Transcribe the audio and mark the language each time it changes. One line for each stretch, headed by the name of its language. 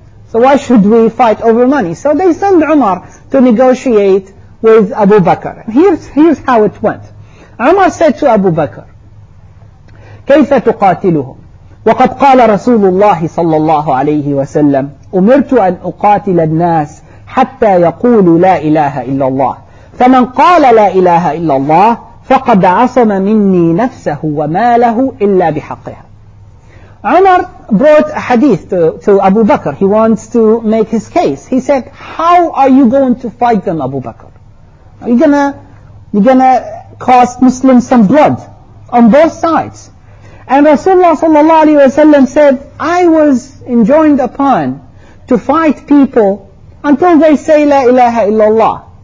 English: So why should we fight over money? So they send Umar to negotiate with Abu Bakr. Here's how it went. Umar said to Abu Bakr,
Arabic: كيف تقاتلهم؟ وقد قال رسول الله صلى الله عليه وسلم أمرت أن أقاتل الناس حتى يقولوا لا إله إلا الله فمن قال لا إله إلا الله فقد عصم مني نفسه وماله إلا بحقها.
English: Umar brought a hadith to Abu Bakr. He wants to make his case. He said, how are you going to fight them, Abu Bakr? Are you gonna cost Muslims some blood on both sides? And Rasulullah sallallahu alayhi wa sallam said, I was enjoined upon to fight people until they say la ilaha illallah.